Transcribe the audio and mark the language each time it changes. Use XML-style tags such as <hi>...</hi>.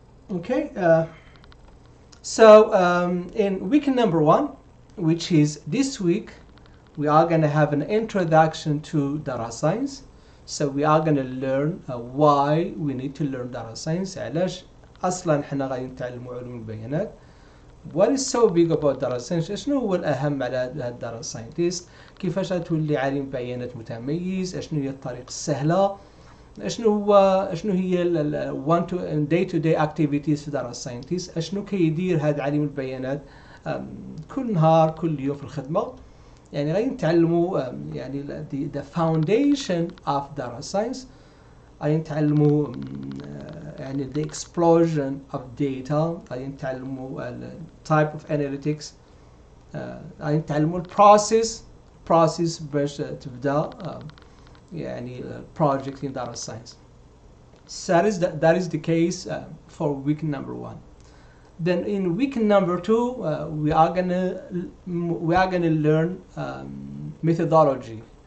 <en>Okay, in week number one, which is this week, we are going to have an introduction to data science. So we are going to learn why we need to learn data science.</en> <ar>علاش اصلا حنا غادي نتعلموا علوم البيانات.</ar> <en>What is so big about data science?</en> <ar>اشنو هو الاهم على الداتا ساينتست؟ كيفاش تولي عالم بيانات متميز؟ اشنو هي الطريق السهله؟ اشنو هي</ar> <en>one to day to day activities</en> <ar>في data scientist؟ اشنو كيدير هذا عالم البيانات؟ كل نهار كل يوم في الخدمة يعني غادي نتعلموا يعني</ar> <en>the foundation of data science</en> <ar>غادي نتعلموا يعني</ar> <en>the explosion of data</en> <ar>غادي نتعلموا</ar> <en>type of analytics</en> <ar>غادي نتعلموا process باش تبدأ يعني</ar> <en>project in data science that is the case for week number one. Then in week number two, we are gonna learn methodology.</en>